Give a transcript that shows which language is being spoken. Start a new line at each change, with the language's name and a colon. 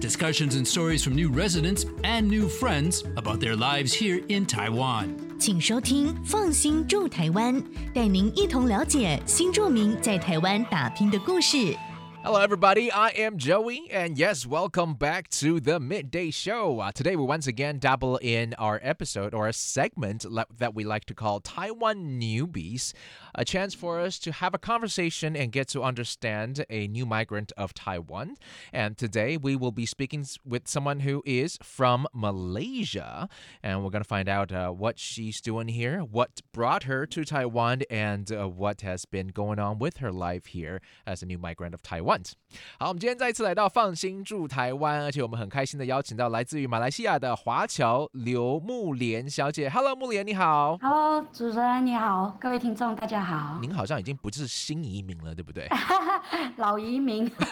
English: Discussions and stories from new residents and new friends about their lives here in Taiwan.
Chinese: 请收听放心住台湾，带您一同了解新住民在台湾打拼的故事。
English: Hello, everybody. I am Joey. And yes, welcome back to the Midday Show. Today, we once again dabble in our episode or a segment that we like to call Taiwan Newbies, a chance for us to have a conversation and get to understand a new migrant of Taiwan. And today, we will be speaking with someone who is from Malaysia. And we're going to find out what she's doing here, what brought her to Taiwan, and what has been going on with her life here as a new migrant of Taiwan.
Chinese: 好，我们今天再一次来到放心住台湾，而且我们很开心的邀请到来自于马来西亚的华侨刘慕莲小姐。 Hello， 慕莲你好。 Hello， 主持人你好，各位听众大家好。您好像已经不是新移民了，对不对？老移民。